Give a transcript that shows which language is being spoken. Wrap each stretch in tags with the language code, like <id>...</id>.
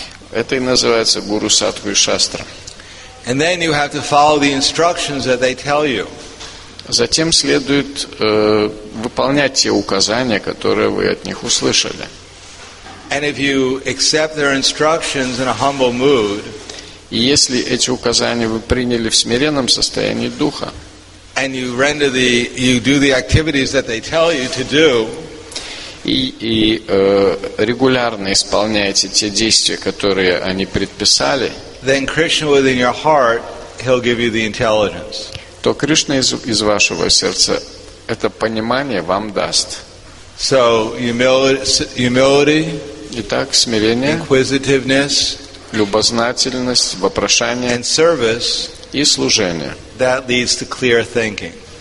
<ru>Это и называется гуру, садху и шастра.</ru> <en>And then you have to follow the instructions that they tell you.</en> <ru>Затем следует выполнять те указания, которые вы от них услышали.</ru> <en>And if you accept their instructions in a humble mood,</en> <ru>и если эти указания вы приняли в смиренном состоянии духа,</ru> <en>and you render the you do the activities that they tell you to do,</en> <ru>и регулярно исполняете те действия, которые они предписали,</ru> <en>then Krishna within your heart, he'll give you the intelligence.</en> <ru>То Кришна из вашего сердца это понимание вам даст.</ru> <en>So humility.</en> <ru>Итак, смирение.</ru> <en>Inquisitiveness.</en> <ru>Любознательность, вопрошание.</ru> <en>And service.</en> <ru>И служение.</ru> <en>That leads to clear thinking.</en>